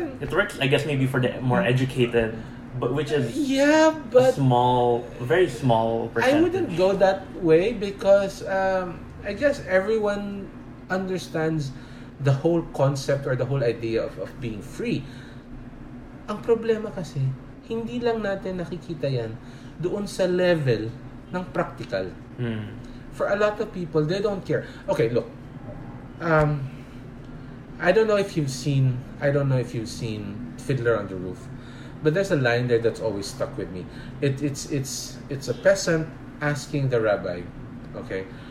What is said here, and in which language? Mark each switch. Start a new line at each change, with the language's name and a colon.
English: It works, I guess, maybe for the more educated, but which is yeah, but a small, very small percentage. I wouldn't go that way because I guess everyone understands the whole concept or the whole idea of being free.
Filipino: Ang problema kasi, hindi lang natin nakikita yan doon sa level ng practical. Hmm.
English: For a lot of people, they don't care. Okay, look. I don't know if you've seen Fiddler on the Roof, but there's a line there that's always stuck with me. It's a peasant asking the rabbi, okay,